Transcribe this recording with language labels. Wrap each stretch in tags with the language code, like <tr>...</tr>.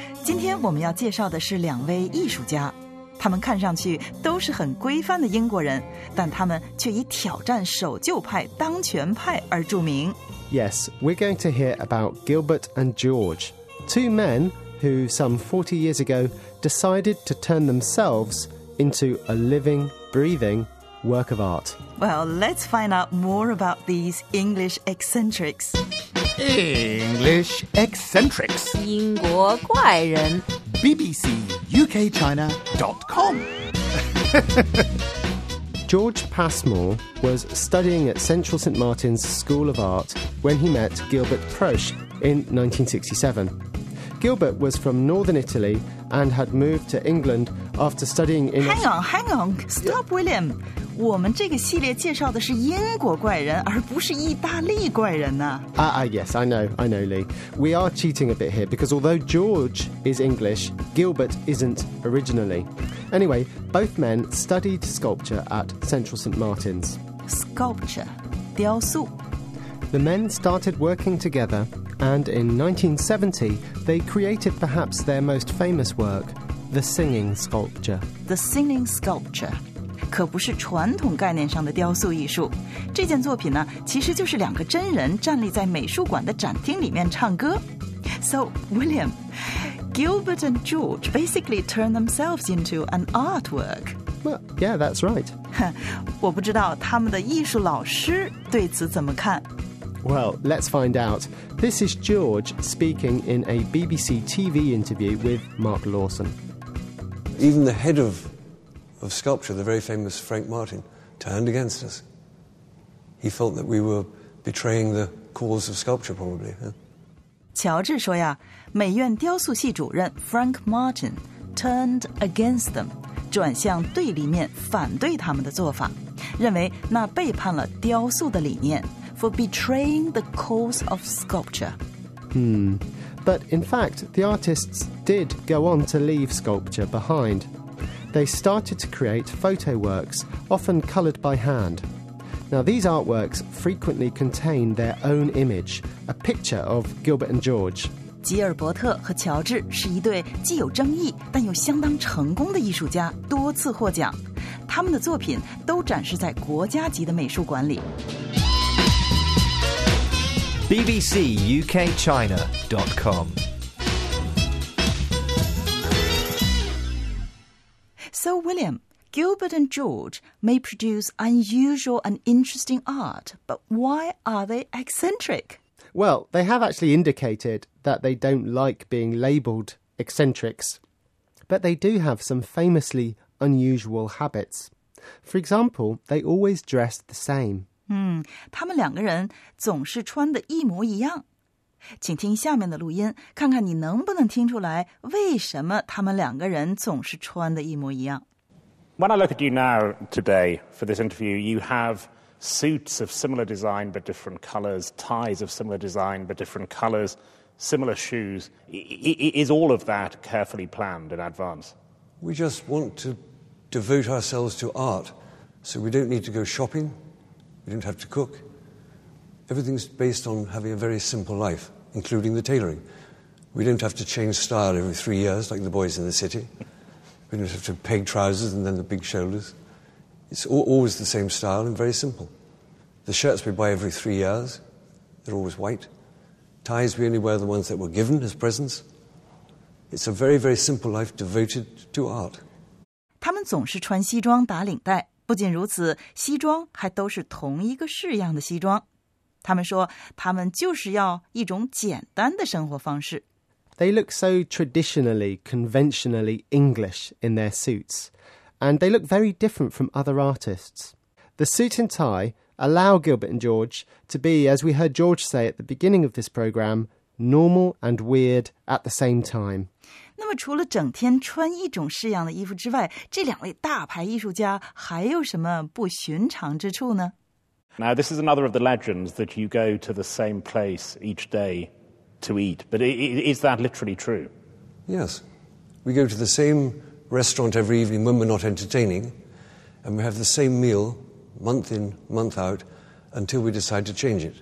<zh>今天我们要介绍的是两位艺术家，他们看上去都是很规范的英国人，但他们却以挑战守旧派、当权派而著名。</zh> <en>Yes, we're going to hear about Gilbert and George, two men who some 40 years ago decided to turn themselves into a living, breathing work of art. Well, let's find out more about these English eccentrics. English eccentrics.</en> <zh>英国怪人</zh> <en>BBCUKChina.com. George Passmore was studying at Central St. Martin's School of Art when he met Gilbert Proche in 1967. Gilbert was from Northern Italy and had moved to England after studying in... Hang on. Stop, William.</en> <zh>我们这个系列介绍的是英国怪人而不是意大利怪人呢。</zh> <en>Yes, I know, Lee. We are cheating a bit here because although George is English, Gilbert isn't originally. Anyway, both men studied sculpture at Central St. Martin's. Sculpture, 雕塑. The men started working together and in 1970, they created perhaps their most famous work, the singing sculpture. The singing sculpture.</en> <zh>可不是传统概念上的雕塑艺术。这件作品呢，其实就是两个真人站立在美术馆的展厅里面唱歌。</zh> <en>So, William, Gilbert and George basically turned themselves into an artwork. Well, yeah, that's right.</en> <zh>我不知道他们的艺术老师对此怎么看。</zh> <en>Well, let's find out. This is George speaking in a BBC TV interview with Mark Lawson. Even the head of sculpture, the very famous Frank Martin, turned against us. He felt that we were betraying the cause of sculpture, probably.</en> <zh>George 说呀，美院雕塑系主任 Frank Martin turned against them, 转向对立面反对他们的做法，认为那背叛了雕塑的理念 for betraying the cause of sculpture.</zh> <en>But in fact, the artists did go on to leave sculpture behind. They started to create photo works, often coloured by hand. Now, these artworks frequently contain their own image, a picture of Gilbert and George.</en> <zh>吉尔伯特和乔治是一对既有争议但又相当成功的艺术家，多次获奖。他们的作品都展示在国家级的美术馆里。</zh> <en>BBCUKChina.com So, William, Gilbert and George may produce unusual and interesting art, but why are they eccentric? Well, they have actually indicated that they don't like being labelled eccentrics, but they do have some famously unusual habits. For example, they always dress the same.</en> <zh>他们两个人总是穿得一模一样。请听下面的录音，看看你能不能听出来为什么他们两个人总是穿的一模一样。</zh> <en>When I look at you now today for this interview, you have suits of similar design but different colours, ties of similar design but different colours, similar shoes. Is all of that carefully planned in advance? We just want to devote ourselves to art, so we don't need to go shopping, we don't have to cook. Everything's based on having a very simple life, including the tailoring. We don't have to change style every 3 years like the boys in the city. We don't have to peg trousers and then the big shoulders. It's always the same style and very simple. The shirts we buy every 3 years, they're always white. Ties, we only wear the ones that were given as presents. It's a very, very simple life devoted to art.</en> <zh>他们总是穿西装打领带。不仅如此，西装还都是同一个式样的西装。他们说他们就是要一种简单的生活方式。</zh> <en>They look so traditionally, conventionally English in their suits, and they look very different from other artists. The suit and tie allow Gilbert and George to be, as we heard George say at the beginning of this program, normal and weird at the same time.</en> <zh>那么除了整天穿一种式样的衣服之外，这两位大牌艺术家还有什么不寻常之处呢？</zh> <en>Now, this is another of the legends that you go to the same place each day to eat. But is that literally true? Yes. We go to the same restaurant every evening when we're not entertaining. and we have the same meal month in, month out, until we decide to change it.</en>